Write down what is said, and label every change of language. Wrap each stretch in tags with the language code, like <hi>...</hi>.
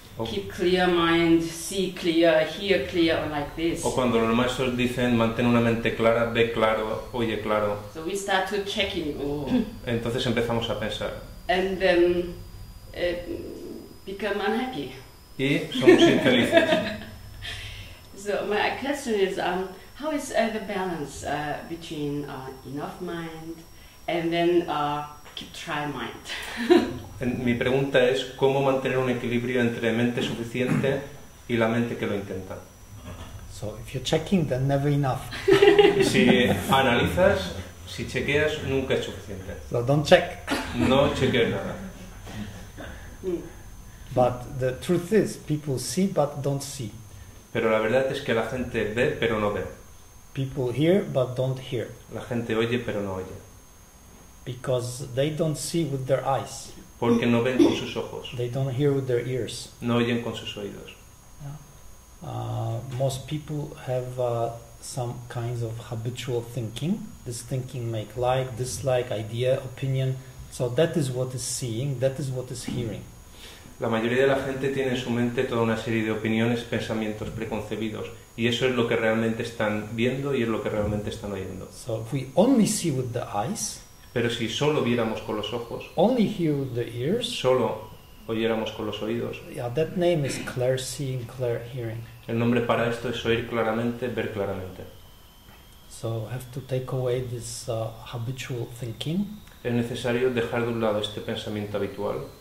<en>Keep clear mind, see clear, hear clear, or like this.</en> <es>O cuando los maestros dicen mantén una mente clara, ve claro, oye claro.</es> <en>So we start to checking.</en> <es>Entonces empezamos a pensar.</es> <en>And then become unhappy.</en> <es>Y somos infelices.</es> <en>So my question is, how is the balance between enough mind and then keep try mind?</en> <es>Mi pregunta es cómo mantener un equilibrio entre mente suficiente y la mente que lo intenta.</es> <en>So if you're checking, then never enough.</en> <es>Y si analizas, si chequeas, nunca es suficiente.</es> <en>So don't check.</en> <es>No chequees nada.</es> <en>But the truth is, people see but don't see.</en> <es>Pero la verdad es que la gente ve pero no ve.</es> <en>People hear but don't hear.</en> <es>La gente oye pero no oye.</es> <en>Because they don't see with their eyes.</en> <es>Porque no ven con sus ojos.</es> <en>They don't hear with their ears.</en> <es>No oyen con sus oídos.</es> <en>Most people have some kinds of habitual thinking. This thinking make like, dislike, idea, opinion. So that is what is seeing, that is what is hearing.</en> <es>La mayoría de la gente tiene en su mente toda una serie de opiniones, pensamientos preconcebidos, y eso es lo que realmente están viendo y es lo que realmente están oyendo.</es> <en>So if we only see with the eyes,</en> <es>pero si solo viéramos con los ojos,</es> <en>only hear with the ears,</en> <es>solo oyéramos con los oídos.</es> <en>Yeah, that name is clear seeing, clear hearing.</en> <es>El nombre para esto es oír claramente, ver claramente.</es> <en>So have to take away this habitual thinking.</en> <es>Es necesario dejar de un lado este pensamiento habitual.</es>